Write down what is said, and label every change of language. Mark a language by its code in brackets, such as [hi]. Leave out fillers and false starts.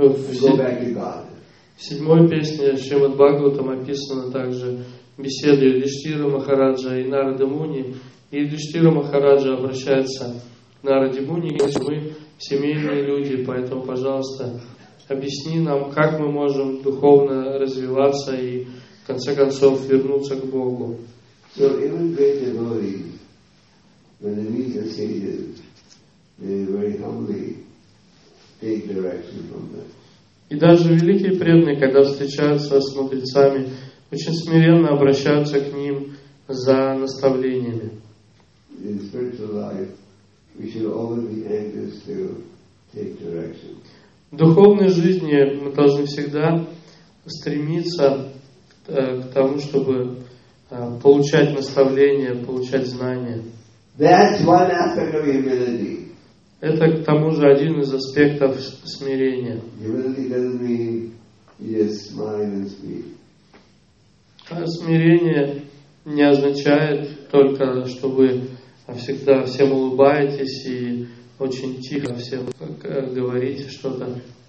[ru] В седьмой песне Шримад Бхагаватам описано также беседу Юдхиштхира Махараджа и Нарада Муни. И Юдхиштхира Махараджа обращается на Радибуне, если мы семейные люди, поэтому, пожалуйста, объясни нам, как мы можем духовно развиваться и, в конце концов, вернуться к Богу. [en] So even great devotees, when they meet the sages, they very humbly take direction from them. [ru] И даже великие преданные, когда встречаются с мудрецами, очень смиренно обращаются к ним за наставлениями. [en] In spiritual life, we should always be anxious to take direction. [ru] В духовной жизни мы должны всегда стремиться к тому, чтобы получать наставления, получать знания. [en] That's one aspect of humility. [ru] Это, к тому же, один из аспектов смирения. [en] Humility doesn't mean just smile and speak. [ru] Смирение не означает только, что вы всегда всем улыбаетесь и очень тихо всем говорите что-то.